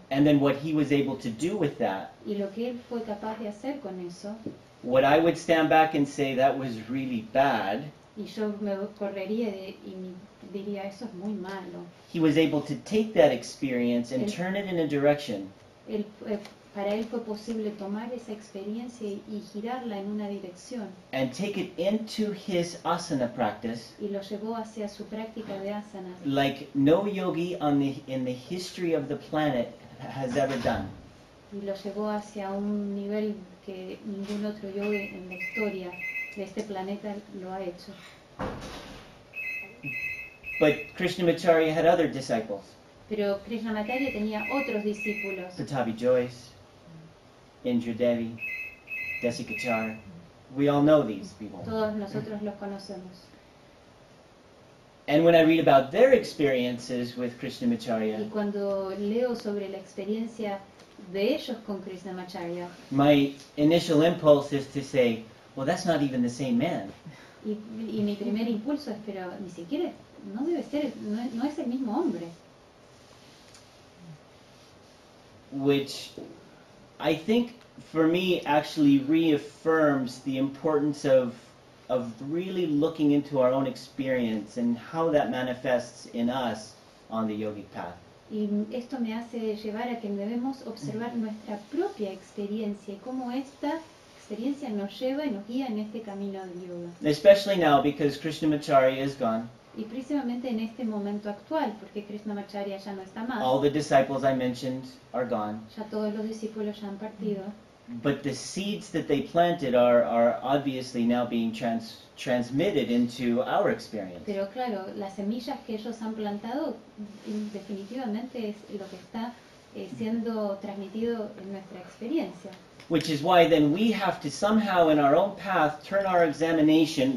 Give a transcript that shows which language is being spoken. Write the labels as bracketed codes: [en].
[en] And then what he was able to do with that. [es] Y lo que él fue capaz de hacer con eso. [en] What I would stand back and say, that was really bad. [es] Y yo me correría y diría, eso es muy malo. [en] He was able to take that experience and turn it in a direction. [es] Para él fue posible tomar esa experiencia y girarla en una dirección. [en] And take it into his asana practice. [es] Y lo llevó hacia su práctica de asana. [en] Like no yogi in the history of the planet has ever done. [es] Y lo llevó hacia un nivel que ningún otro yogi en la historia de este planeta lo ha hecho. [en] But Krishnamacharya had other disciples. [es] Pero Krishnamacharya tenía otros discípulos. [en] Patabi Joyce. Indra Devi, Desi Kachar, we all know these people. [es] Todos nosotros los conocemos. [en] And when I read about their experiences with Krishnamacharya, [es] y cuando leo sobre la experiencia de ellos con Krishnamacharya, [en] my initial impulse is to say, well, that's not even the same man. [es] Y mi primer impulso es, pero ni siquiera, no debe ser, no es el mismo hombre. [en] Which I think, for me, actually reaffirms the importance of really looking into our own experience and how that manifests in us on the yogic path. [es] Y esto me hace llevar a que debemos observar nuestra propia experiencia y cómo esta experiencia nos lleva y nos guía en este camino de yoga. [en] Especially now, because Krishnamacharya is gone. [es] Y precisamente en este momento actual, porque Krishnamacharya ya no está más. [en] All the disciples I mentioned are gone. [es] Ya todos los discípulos ya han partido. [en] But the seeds that they planted are obviously now being transmitted into our experience. [es] Pero claro, las semillas que ellos han plantado definitivamente es lo que está siendo transmitido en nuestra experiencia. [en] Which is why then we have to somehow in our own path turn our examination.